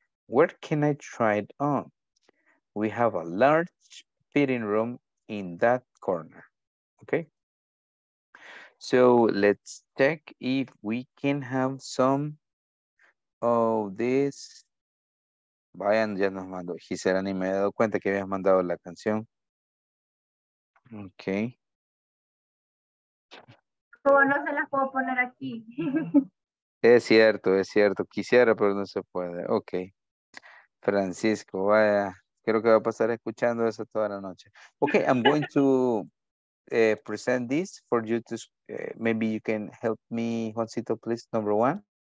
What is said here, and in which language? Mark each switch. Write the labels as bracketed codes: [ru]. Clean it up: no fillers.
[en] Where can I try it on? We have a large fitting room in that corner. Okay. So let's check if we can have some of this. [es] Vayan, ya nos mandó. Gisela, ni me he dado cuenta que habías mandado la canción. Okay. No se las puedo poner aquí. Es cierto, quisiera, pero no se puede. Ok, Francisco, vaya, creo que va a pasar escuchando eso toda la noche. [en] Ok, I'm going to present this for you to, maybe you can help me, Juancito, please, number one.